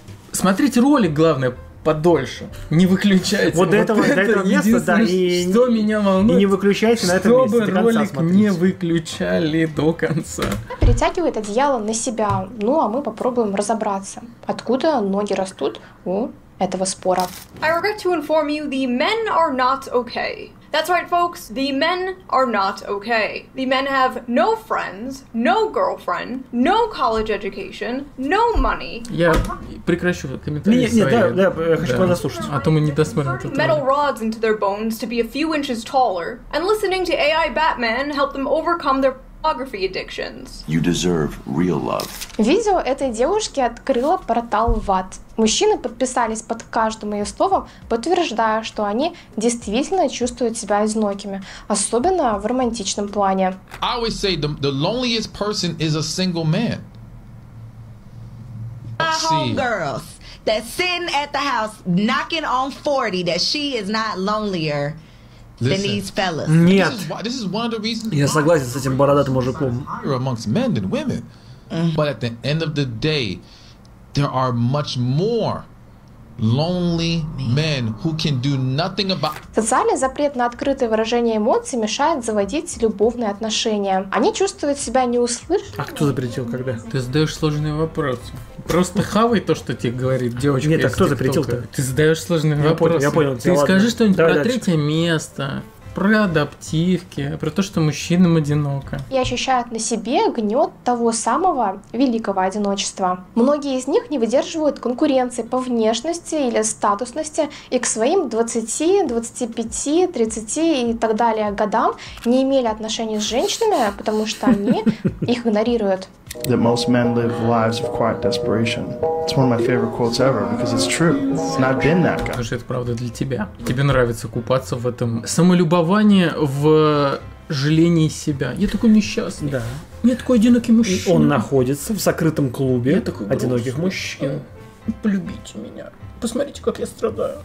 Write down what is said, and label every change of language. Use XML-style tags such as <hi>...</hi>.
<ru>Смотрите ролик, главное, подольше. Не выключайте. Вот до этого места, да. Что меня волнует. И не выключайте на этом месте. Чтобы ролик не выключали до конца. Перетягивает одеяло на себя. Ну, а мы попробуем разобраться, откуда ноги растут у этого спора.</ru> <en>I regret to inform you, the men are not okay. That's right, folks. The men are not okay. The men have no friends, no girlfriend, no college education, no money.</en> <ru>Я прекращу комментарии. Нет, нет, да, я хочу послушать. А то мы не досмотрим.</ru> <en>Inserting metal rods into their bones to be a few inches taller, and listening to AI Batman help them overcome their pornography addictions. You deserve real love.</en> <ru>Видео этой девушки открыло портал в ад. Мужчины подписались под каждым ее словом, подтверждая, что они действительно чувствуют себя одинокими, особенно в романтичном плане.</ru> <en>I always say the loneliest person is a single man. Homegirls that sitting at the house knocking on 40, that she is not lonelier. Listen,</en> <ru>нет. Я согласен с этим бородатым мужиком.</ru> <en>But at the end of the day, there are much more lonely men who can do nothing about.</en> <ru>Социальный запрет на открытое выражение эмоций мешает заводить любовные отношения. Они чувствуют себя неуслышанными. А кто запретил когда? Ты задаешь сложные вопросы. Просто хавай то, что тебе говорит девочка. Нет, а кто запретил-то? Ты задаешь сложные вопросы. Я понял. Ты скажи что-нибудь про третье место, про адаптивки, про то, что мужчинам одиноко. И ощущают на себе гнет того самого великого одиночества. Многие из них не выдерживают конкуренции по внешности или статусности и к своим 20, 25, 30 и так далее годам не имели отношений с женщинами, потому что они их игнорируют.</ru> <en>That most men live lives of quiet desperation. It's one of my favorite quotes ever because it's true. And I've been that guy.</en> <ru>Потому что это правда для тебя. Тебе нравится купаться в этом самолюбование в жалении себя. Я такой несчастный. Да. Я такой одинокий мужчина. И он находится в закрытом клубе одиноких мужчин. Полюбите меня. Посмотрите, как я страдаю.</ru>